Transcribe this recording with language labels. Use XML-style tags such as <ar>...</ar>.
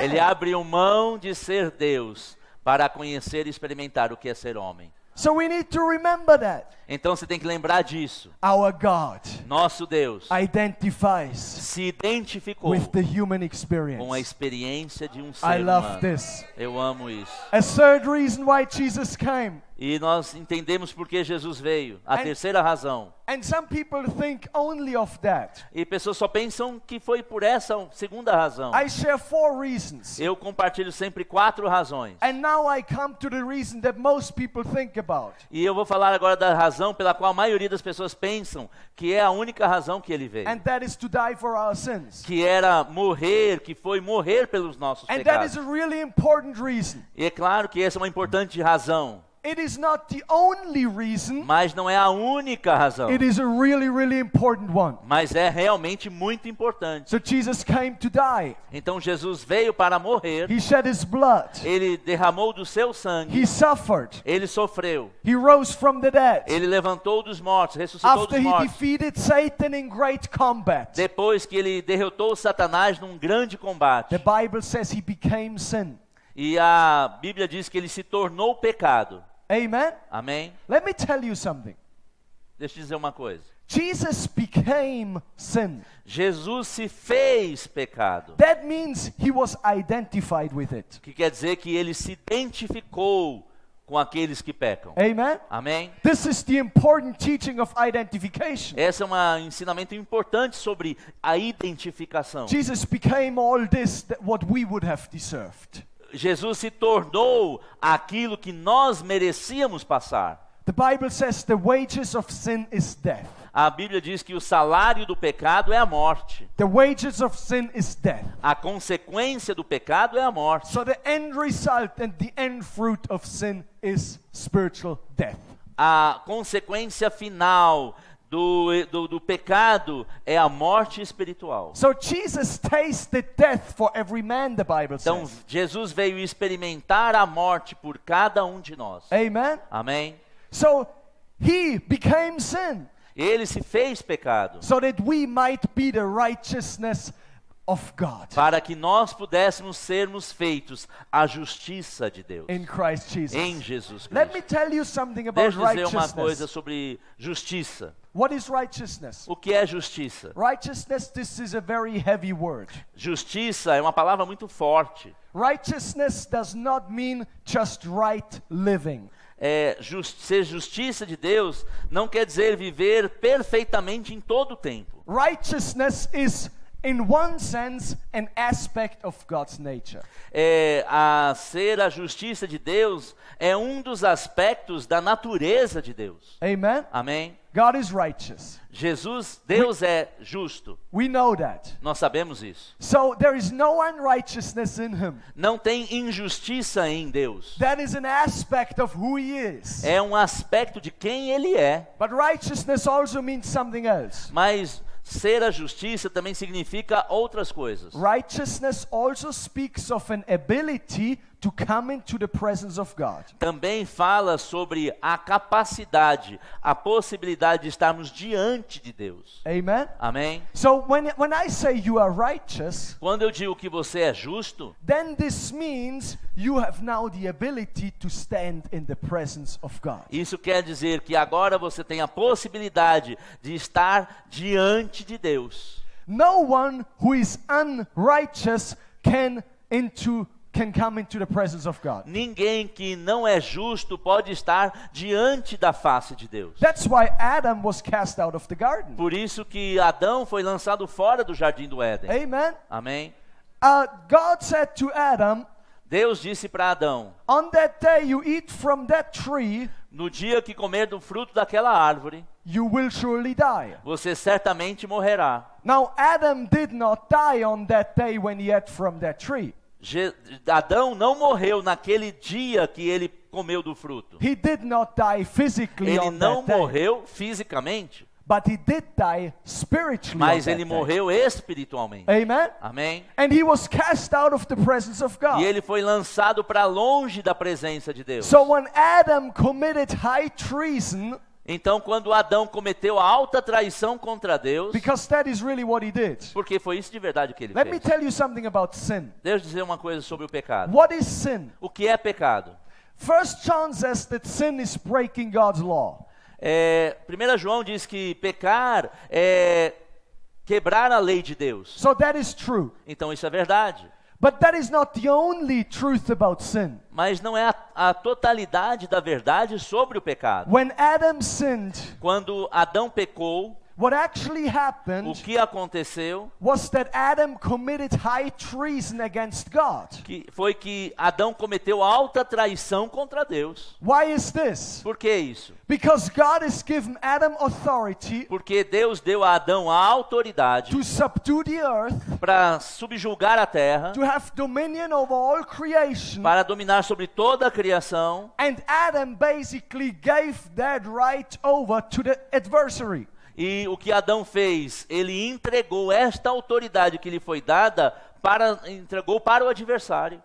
<pt>Ele abriu mão de ser Deus para conhecer e experimentar o que é ser homem.</pt> <en>So we need to remember that.</en> <pt>Então você tem que lembrar disso.</pt> <en>Our God,</en> <pt>nosso Deus,</pt> <en>identifies</en> <pt>se identificou</pt> <en>with the human experience.</en> <pt>Com a experiência de um ser</pt> <en>I love</en> <pt>humano.</pt> <en>This.</en> <pt>Eu amo isso.</pt> <en>A third reason why Jesus came.</en> <pt>E nós entendemos por que Jesus veio. Terceira razão.</pt> <en>And some people think only of that.</en> <pt>E pessoas só pensam que foi por essa segunda razão.</pt> <en>I share four reasons.</en> <pt>Eu compartilho sempre quatro razões.</pt> <en>And now I come to the reason that most people think about.</en> <pt>E eu vou falar agora da razão pela qual a maioria das pessoas pensam que é a única razão que ele veio.</pt> <en>And that is to die for our sins.</en> <pt>Que era morrer, que foi morrer pelos nossos</pt> <en>and</en> <pt>pecados.</pt> <en>That is a really important reason.</en> <pt>E é claro que essa é uma importante razão.</pt> <en>It is not the only reason.</en> <pt>Mas não é a única razão.</pt> <en>It is a really, really important one.</en> <pt>Mas é realmente muito importante.</pt> <en>So Jesus came to die.</en> <pt>Então Jesus veio para morrer.</pt> <en>He shed his blood.</en> <pt>Ele derramou do seu sangue.</pt> <en>He suffered.</en> <pt>Ele sofreu.</pt> <en>He rose from the dead.</en> <pt>Ele levantou dos mortos, ressuscitou</pt> <en>after</en> <pt>dos mortos.</pt> <en>After he defeated Satan in great combat.</en> <pt>Depois que ele derrotou Satanás num grande combate.</pt> <en>The Bible says he became sin.</en> <pt>E a Bíblia diz que ele se tornou pecado.</pt> <en>Amen.</en> <pt>Amém.</pt> <en>Let me tell you something.</en> <pt>Deixa eu dizer uma coisa.</pt> <en>Jesus became sin.</en> <pt>Jesus se fez pecado.</pt> <en>That means he was identified with it.</en> <pt>Que quer dizer que ele se identificou com aqueles que pecam.</pt> <en>Amen.</en> <pt>Amém.</pt> <en>This is the important teaching of identification.</en> <pt>Esse é um ensinamento importante sobre a identificação.</pt> <en>Jesus became all this that what we would have deserved.</en> <pt>Jesus se tornou aquilo que nós merecíamos passar.</pt> <en>The Bible says the wages of sin is death.</en> <pt>A Bíblia diz que o salário do pecado é a morte.</pt> <en>The wages of sin is death.</en> <pt>A consequência do pecado é a morte.</pt> <en>So the end result and the end fruit of sin is spiritual death.</en> <pt>A consequência final do pecado é a morte espiritual.</pt> <en>So Jesus tasted death for every man, the Bible says.</en> <pt>Então Jesus veio experimentar a morte por cada um de nós.</pt> <en>Amen.</en> <pt>Amém.</pt> <en>So he became sin.</en> <pt>Ele se fez pecado.</pt> <en>So that we might be the righteousness of God.</en> <pt>Para que nós pudéssemos sermos feitos a justiça de Deus.</pt> <en>In Christ Jesus.</en> <pt>Em Jesus Cristo.</pt> <en>Let me tell you something about righteousness.</en> <pt>Deixa eu dizer uma coisa sobre justiça.</pt> <en>What is righteousness?</en> <pt>O que é justiça?</pt> <en>Righteousness, this is a very heavy word.</en> <pt>Justiça é uma palavra muito forte.</pt> <en>Righteousness does not mean just right living.</en> <pt>Ser justiça de Deus não quer dizer viver perfeitamente em todo o tempo.</pt> <en>Righteousness is in one sense, an aspect of God's nature.</en> <pt>Ser a justiça de Deus é um dos aspectos da natureza de Deus.</pt> <en>Amen.</en> <pt>Amém.</pt> <en>God is righteous.</en> <pt>Jesus, Deus é justo.</pt> <en>We know that.</en> <pt>Nós sabemos isso.</pt> <en>So there is no unrighteousness in him.</en> <pt>Não tem injustiça em Deus.</pt> <en>That is an aspect of who he is.</en> <pt>É um aspecto de quem ele é.</pt> <en>But righteousness also means something else.</en> <pt>Mas ser a justiça também significa outras coisas.</pt> <en>Righteousness also speaks of an ability to come into the presence of God.</en> <pt>Também fala sobre a capacidade, a possibilidade de estarmos diante de Deus.</pt> <en>Amen.</en> <pt>Amém.</pt> <en>So when I say you are righteous,</en> <pt>quando eu digo que você é justo,</pt> <en>then this means you have now the ability to stand in the presence of God.</en> <pt>Isso quer dizer que agora você tem a possibilidade de estar diante de Deus.</pt> <en>No one who is unrighteous can come into the presence of God.</en> <pt>Ninguém que não é justo pode estar diante da face de Deus.</pt> <en>That's why Adam was cast out of the garden.</en> <pt>Por isso que Adão foi lançado fora do jardim do Éden.</pt> <en>Amen.</en> <pt>Amém.</pt> <en>God said to Adam,</en> <pt>Deus disse para Adão,</pt> <en>on that day you eat from that tree,</en> <pt>no dia que comer do fruto daquela árvore,</pt> <en>you will surely die.</en> <pt>Você certamente morrerá.</pt> <en>Now Adam did not die on that day when he ate from that tree.</en> <pt>Adão não morreu naquele dia que ele comeu do fruto.</pt> <en>He did not die physically.</en> <pt>Ele não morreu fisicamente.</pt> <en>But he did die spiritually.</en> <pt>Mas ele morreu espiritualmente.</pt> <en>Amen.</en> <pt>Amém.</pt> <en>And he was cast out of the presence of God.</en> <pt>E ele foi lançado para longe da presença de Deus.</pt> <en>So when Adam committed high treason,</en> <pt>então quando Adão cometeu a alta traição contra Deus,</pt> <en>because that is really what he did.</en> <pt>Porque foi isso de verdade que ele</pt> <en>let</en> <pt>fez.</pt> <en>Me tell you something about sin.</en> <pt>Deixa eu dizer uma coisa sobre o pecado.</pt> <en>What is sin?</en> <pt>O que é pecado?</pt> <en>1 John says that sin is breaking God's law.</en> <pt>1 João diz que pecar é quebrar a lei de Deus.</pt> <en>So that is true.</en> <pt>Então isso é verdade.</pt> <en>But that is not the only truth about sin.</en> <pt>Mas não é a totalidade da verdade sobre o pecado.</pt> <en>When Adam sinned,</en> <pt>quando Adão pecou,</pt> <en>what actually happened,</en> <pt>o que aconteceu,</pt> <en>was that Adam committed high treason against God.</en> <pt>Que foi que Adão cometeu alta traição contra Deus.</pt> <en>Why is this?</en> <pt>Por que isso?</pt> <en>Because God has given Adam authority.</en> <pt>Porque Deus deu a Adão a autoridade.</pt> <en>To subdue the earth.</en> <pt>Para subjugar a terra.</pt> <en>To have dominion over all creation.</en> <pt>Para dominar sobre toda a criação.</pt> <en>And Adam basically gave that right over to the adversary.</en> <pt>E o que Adão fez? Ele entregou esta autoridade que lhe foi dada para, entregou para o adversário.</pt>